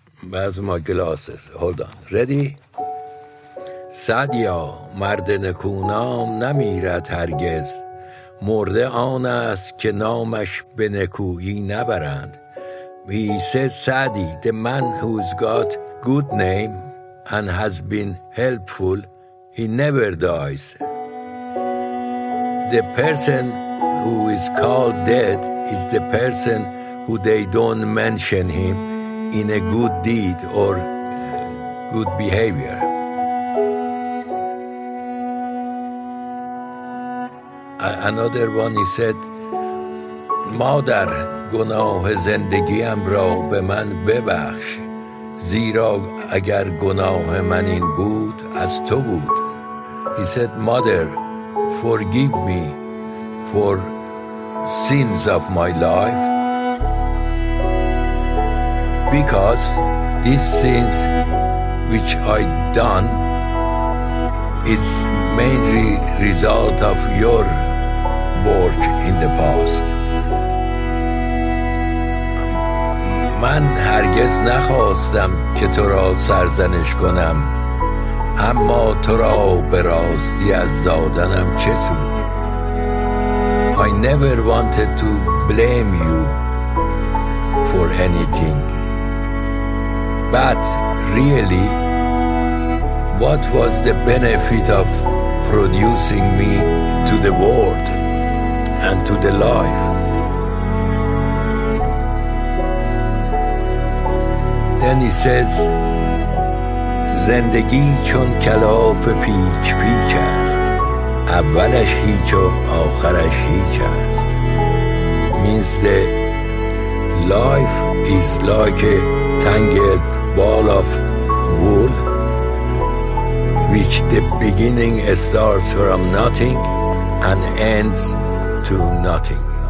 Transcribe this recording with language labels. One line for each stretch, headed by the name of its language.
English: Where's my glasses? Hold on. Ready?
Persian: سعدیا مرد نکونام نمیرد هرگز. مرده آن است که نامش به نکویی نبرند.
English: He said, Sadi, the man who's got good name and has been helpful, he never dies. The person who is called dead is the person who they don't mention him in a good deed or good behavior. Another one, he said,
Persian: مادر گناه زندگیم را به من ببخش زیرا اگر گناه من این بود از تو بود.
English: He said, Mother, forgive me for sins of my life because these sins which I done is mainly result of your work in the past.
Persian: من هرگز نخواستم که تو را سرزنش کنم اما تو را به راستی از زادنم چه سود.
English: I never wanted to blame you for anything. But really, what was the benefit of producing me to the world and to the life? Then he says,
Persian: زندگی چون کلاف پیچ پیچ است اولش هیچ و آخرش هیچ است.
English: Means the life is like a tangled ball of wool which the beginning starts from nothing and ends to nothing.